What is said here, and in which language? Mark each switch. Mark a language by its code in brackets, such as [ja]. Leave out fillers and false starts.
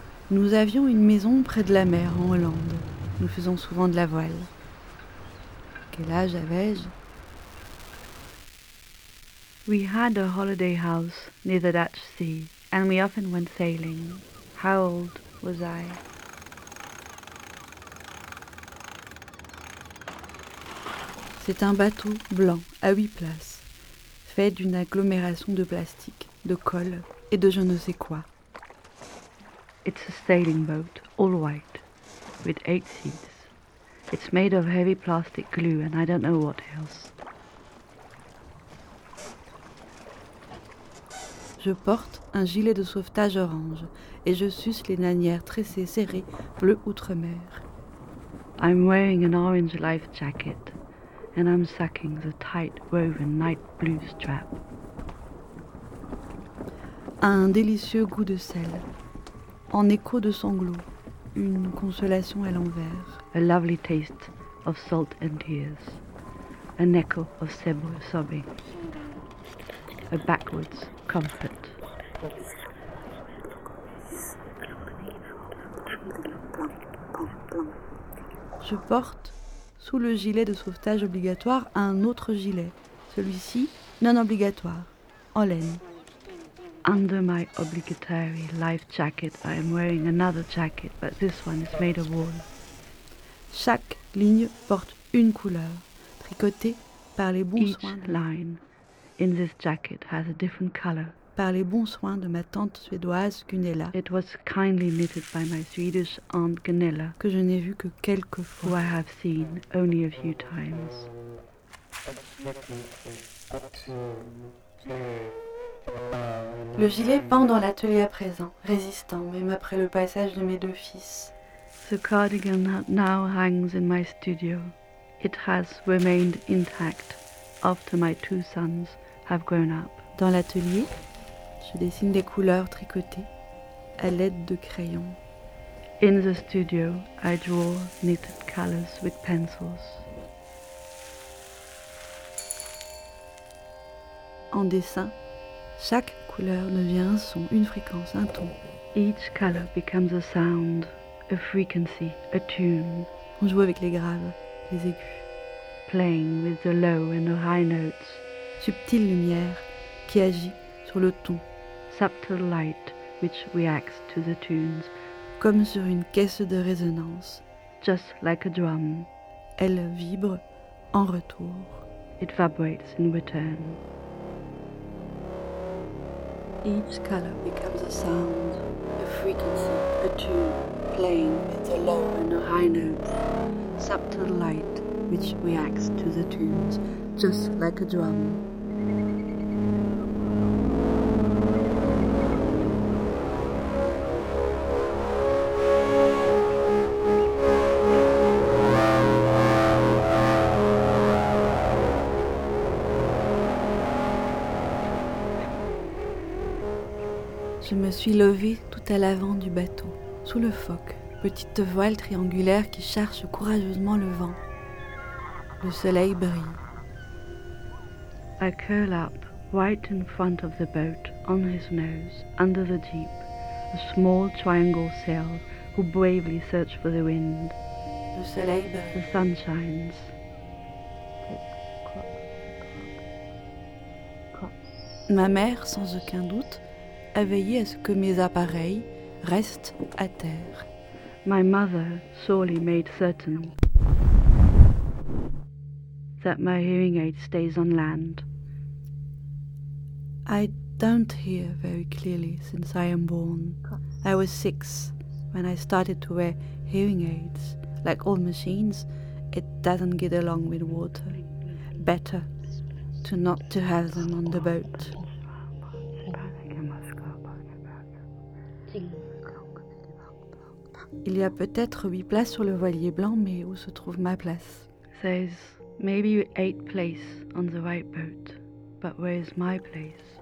[fr] Nous avions une maison près de la mer, en Hollande. Nous faisons souvent de la voile. Quel âge avais-je ? [en] We had a holiday house near the Dutch Sea, and we often went sailing. How old was I ? [fr] C'est un bateau blanc, à 8 places, fait d'une agglomération de plastique, de colle et de je ne sais quoi. [en] It's a sailing boat, all white, with 8 seats. It's made of heavy plastic glue and I don't know what else. [fr] Je porte un gilet de sauvetage orange et je suce les nanières tressées serrées bleu outre-mer. [en] I'm wearing an orange life jacket and I'm sucking the tight woven night blue strap. [fr] Un délicieux goût de sel. En écho de sanglots, une consolation à l'envers. [en] A lovely taste of salt and tears. An echo of sable sobbing. A backwards comfort. [fr] Je porte, sous le gilet de sauvetage obligatoire, un autre gilet. Celui-ci, non obligatoire, en laine. [en] Under my obligatory life jacket, I am wearing another jacket, but this one is made of wool. [fr] Chaque ligne porte une couleur, tricotée par les bons soins. [en] Each line in this jacket has a different color. [fr] Par les bons soins de ma tante suédoise Gunella. [en] It was kindly knitted by my Swedish aunt Gunella. [fr] Que je n'ai vu que quelques fois. [en] Who I have seen only a few times. [fr] Le gilet pend dans l'atelier à présent, résistant, même après le passage de mes deux fils. [en] The cardigan now hangs in my studio. It has remained intact after my two sons have grown up. [fr] Dans l'atelier, je dessine des couleurs tricotées à l'aide de crayons. [en] In the studio, I draw knitted colors with pencils. [fr] En dessin, chaque couleur devient un son, une fréquence, un ton. [en] Each color becomes a sound, a frequency, a tune. [fr] On joue avec les graves, les aigus. [en] Playing with the low and the high notes. [fr] Subtile lumière qui agit sur le ton. [en] Subtle light which reacts to the tunes. [fr] Comme sur une caisse de résonance. [en] Just like a drum. [fr] Elle vibre en retour. [en] It vibrates in return. Each color becomes a sound, a frequency, a tune, playing with the low and the high notes. Subtle light which reacts to the tunes, just like a drum. [fr] Je me suis levée tout à l'avant du bateau, sous le foc, petite voile triangulaire qui cherche courageusement le vent. Le soleil brille. [en] I curl up, right in front of the boat, on his nose, under the deep, a small triangle sail who bravely search for the wind. [fr] Le soleil brille. [en] The sun shines. [fr] Ma mère, sans aucun doute, a veillé à ce que mes appareils restent à terre. [en] My mother sorely made certain that my hearing aid stays on land. I don't hear very clearly since I am born. I was 6 when I started to wear hearing aids. Like all machines, it doesn't get along with water. Better to not to have them on the boat. [fr] Il y a peut-être 8 places sur le voilier blanc, mais où se trouve ma place? [en] There's maybe 8 places on the white boat, but where is my place?